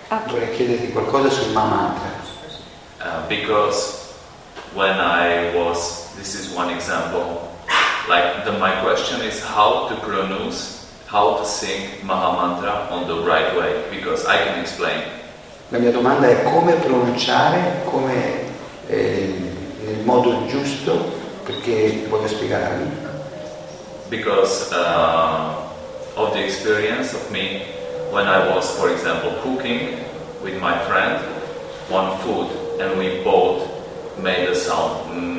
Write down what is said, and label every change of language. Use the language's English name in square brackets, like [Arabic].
[English] Okay. [Italian] Vorrei chiederti qualcosa sul Maha Mantra. [English] Because when I was, this is one example. Like my question is how to pronounce, how to sing Maha Mantra on the right way, because I can explain. [Italian] La mia domanda è come pronunciare, come nel modo giusto, perché voglio spiegarmi. [English] Because of the experience of me, when I was, for example, cooking with my friend one food, and we both made a sound.